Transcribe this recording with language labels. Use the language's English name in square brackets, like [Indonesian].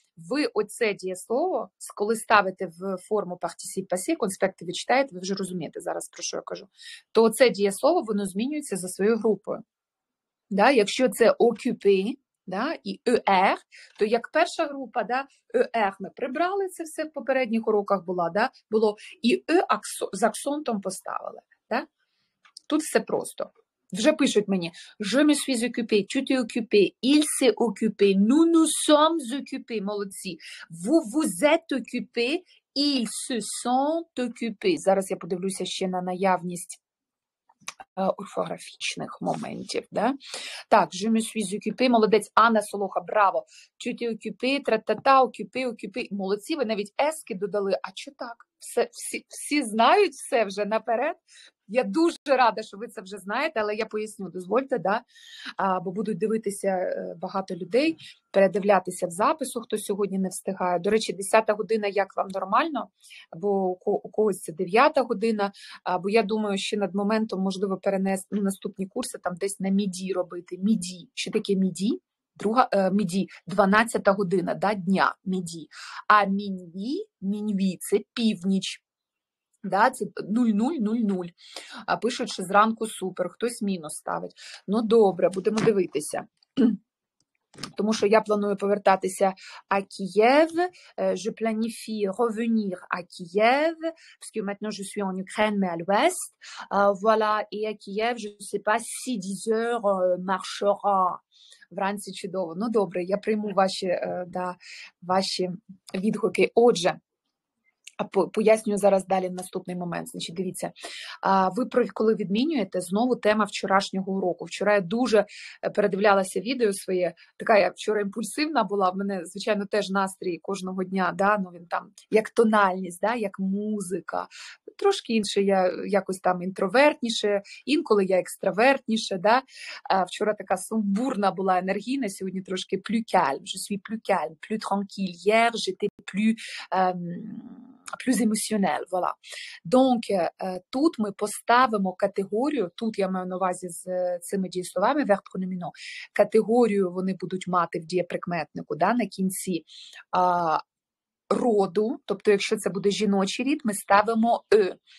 [Ukrainian] Ви оце дієслово, коли ставите в форму participe passé, конспекти ви читаєте, ви вже розумієте зараз, про що я кажу, то оце дієслово, воно змінюється за своєю групою. Да? Якщо це occupé, да, і er, то як перша група, да, er, ми прибрали це все в попередніх уроках, була, да, було, і з акцентом поставили. Да? Тут все просто. Вже пишуть мені, [French] je me suis occupé, tu t'es occupé, il s'est occupé, nous nous sommes occupés, [Ukrainian] молодці, [French] vous vous êtes occupé, ils se sont occupés. [Ukrainian] Зараз я подивлюся ще на наявність орфографічних моментів. Да? Так, [French] je me suis occupé, [Ukrainian] молодець, Анна Солоха, браво, [French] tu t'es occupé, [Ukrainian] tra-та-та, occupé, occupé, молодці, ви навіть ески додали, а чи так? Всі знають все вже наперед. Я дуже рада, що ви це вже знаєте, але я поясню, дозвольте, да? Бо будуть дивитися багато людей, передивлятися в запису, хто сьогодні не встигає. До речі, 10-та година, як вам нормально? Бо у когось це 9-та година, бо я думаю, ще над моментом можливо перенести наступні курси там десь на міді робити. Міді. Що таке міді? Друга міді, 12-та година, да, дня міді. А міньві, міньві – це північ. Да, це 0-0-0-0. А пишуть, що зранку супер, хтось мінус ставить. Ну добре, будемо дивитися. Тому що я планую повертатися а [French] Kiev, je planifie revenir à Kiev, parce que maintenant je suis en Ukraine, mais à l'ouest. Voilà, et à Kiev, je ne sais pas si 10 heures marchera. [Ukrainian] Вранці чудово. Ну добре, я прийму ваші, да, ваші відгуки. Отже, пояснюю зараз далі наступний момент. Значить, дивіться, ви коли відмінюєте, знову тема вчорашнього уроку. Вчора я дуже передивлялася відео своє, така я вчора імпульсивна була, в мене, звичайно, теж настрій кожного дня, да? Ну, він там, як тональність, да? Як музика. Трошки інше, я якось там інтровертніше, інколи я екстравертніше. Да? Вчора така сумбурна була енергійна, сьогодні трошки [French] plus calme, je suis plus calme, plus tranquille, hier j'étais plus émotionnel, voilà. Donc, [Ukrainian] тут ми поставимо категорію, тут я маю на увазі з цими дієсловами, verbe pronominal, категорію вони будуть мати в дієприкметнику, да, на кінці роду, тобто якщо це буде жіночий рід, ми ставимо «е».